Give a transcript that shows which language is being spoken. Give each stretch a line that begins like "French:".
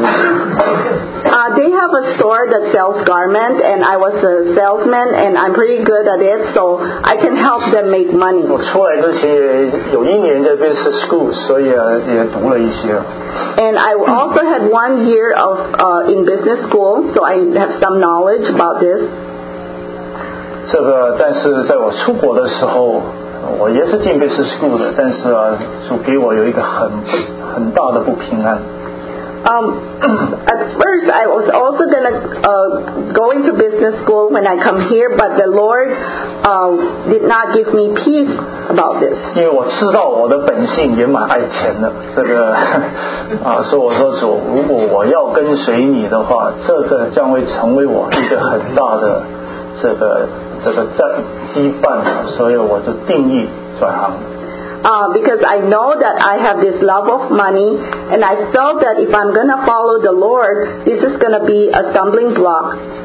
English: They have a store that sells garment, and I was a salesman, and I'm pretty good at it, so I can help them make money.
Chinese: 我出来之前有一年在 business school, 所以、啊、也读了一些。
English: And I also had 1 year of in business school, so I have some knowledge about this.
Chinese: 这个，但是在我出国的时候，我也是进 business school 的，但是啊，就给我有一个很大的不平安。
English: at first I was also gonna go into business school when I come here, but the Lord did not give me peace about this.
Chinese: 因为我知道我的本性也蛮爱钱的，这个啊，所以我说主，如果我要跟随你的话，这个将会成为我一个很大的这个羁绊，所以我就定义转行。
English: Because I know that I have this love of money, and I felt that if I'm going to follow the Lord, this is going to be a stumbling block.